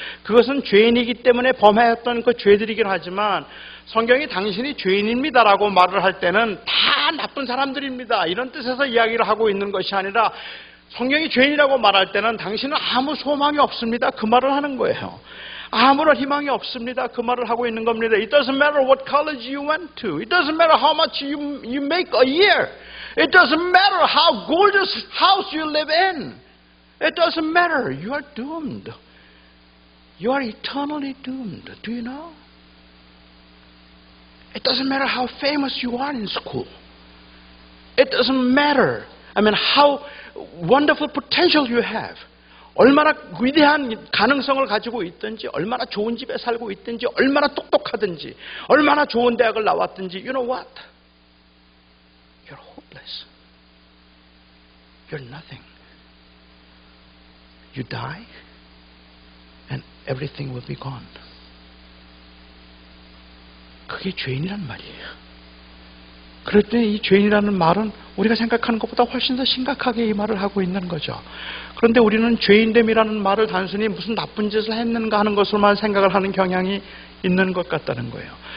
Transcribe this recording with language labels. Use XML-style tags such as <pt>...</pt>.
<ko>그것은 죄인이기 때문에 범했던 그 죄들이긴 하지만 성경이 당신이 죄인입니다라고 말을 할 때는 다 나쁜 사람들입니다 이런 뜻에서 이야기를 하고 있는 것이 아니라 성경이 죄인이라고 말할 때는 당신은 아무 소망이 없습니다 그 말을 하는 거예요. 아무런 희망이 없습니다 그 말을 하고 있는 겁니다.</ko> <en>It doesn't matter what college you went to. It doesn't matter how much you make a year. It doesn't matter how gorgeous house you live in. It doesn't matter. You are doomed. You are eternally doomed. Do you know? It doesn't matter how famous you are in school. It doesn't matter. I mean, how wonderful potential you have.</en> <ko>얼마나 위대한 가능성을 가지고 있든지, 얼마나 좋은 집에 살고 있든지, 얼마나 똑똑하든지, 얼마나 좋은 대학을 나왔든지,</ko> <en>you know what? You're hopeless. You're nothing. You die, and everything will be gone.</en> <ko>그게 죄인이란 말이에요. 그랬더니 이 죄인이라는 말은 우리가 생각하는 것보다 훨씬 더 심각하게 이 말을 하고 있는 거죠. 그런데 우리는 죄인됨이라는 말을 단순히 무슨 나쁜 짓을 했는가 하는 것으로만 생각을 하는 경향이 있는 것 같다는 거예요.</ko>